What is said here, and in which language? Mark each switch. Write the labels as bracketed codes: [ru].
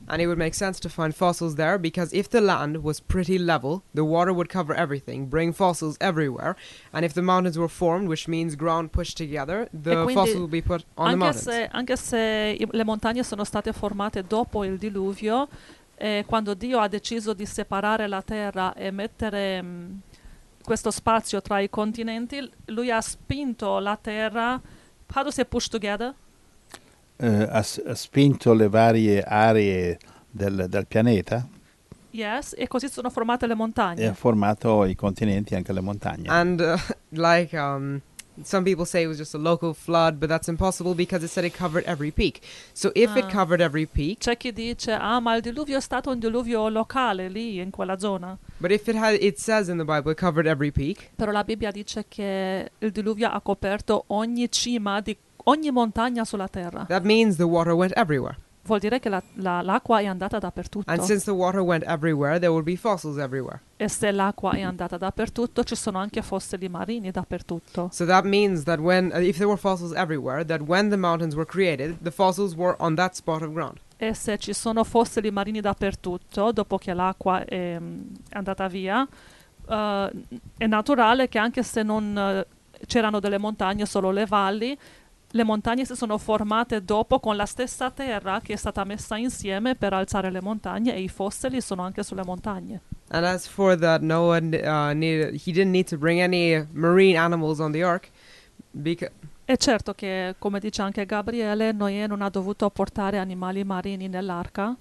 [en] And it would make sense to find fossils there, because if the land was pretty level, the water would cover everything, bring fossils everywhere, and if the mountains were formed, which means ground pushed together, the fossils would be put on the mountains. [it] Anche se le montagne sono state formate dopo il diluvio, e quando Dio ha deciso di separare la terra e mettere questo spazio tra i continenti, lui ha spinto la terra. [en] How does it push together? [it] Ha spinto le varie aree del pianeta. Yes, e così sono formate le montagne. E ha formato i continenti anche le montagne. [en] And some people say it was just a local flood, but that's impossible because it said it covered every peak. So if it covered every peak, [it] c'è chi dice, ma il diluvio è stato un diluvio locale lì in quella zona. [en] But if it had, it says in the Bible it covered every peak. [it] Però la Bibbia dice che il diluvio ha coperto ogni cima di ogni montagna sulla terra. [en] That means the water went everywhere. [it] Vuol dire che l'acqua è andata dappertutto. [en] And since the water went everywhere, there would be fossils everywhere. [it] E se l'acqua è andata dappertutto, ci sono anche fossili marini dappertutto. [en] So that means that if there were fossils everywhere, that when the mountains were created, the fossils were on that spot of ground. [it] E se ci sono fossili marini dappertutto, dopo che l'acqua è andata via, è naturale che anche se non c'erano delle montagne, solo le valli, le montagne si sono formate dopo con la stessa terra che è stata messa insieme per alzare le montagne e i fossili sono anche sulle montagne. [en] And as for that, he didn't need to bring any marine animals on the ark. [it] È certo che, come dice anche Gabriele, Noè non ha dovuto portare animali marini nell'arca.